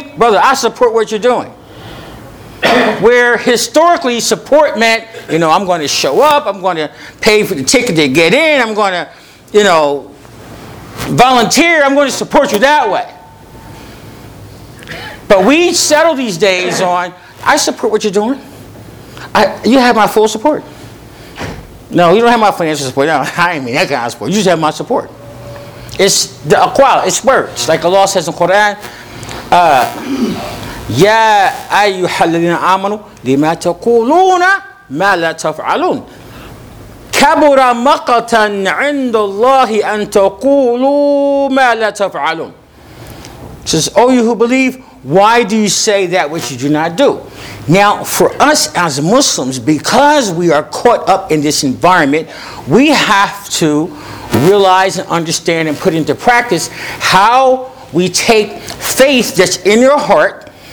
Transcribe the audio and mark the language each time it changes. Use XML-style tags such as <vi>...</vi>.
<en>Brother, I support what you're doing. Where historically support meant, you know, I'm going to show up, I'm going to pay for the ticket to get in, I'm going to, you know, volunteer, I'm going to support you that way. But we settle these days on, I support what you're doing. You have my full support. No, you don't have my financial support. No, I ain't mean that kind of support. You just have my support. It's the aqwal, it's words. Like Allah says in the Quran,</en> <ar>يَا أَيُّهَا الَّذِينَ آمَنُوا لِمَا تَقُولُونَ مَا لَا تَفْعَلُونَ كَبُرَ مَقَتًا عِنْدَ اللَّهِ أَن تَقُولُوا مَا لَا تَفْعَلُونَ.</ar> <en>It says, oh, you who believe, why do you say that which you do not do? Now, for us as Muslims, because we are caught up in this environment, we have to realize and understand and put into practice how we take faith that's in your heart.</en>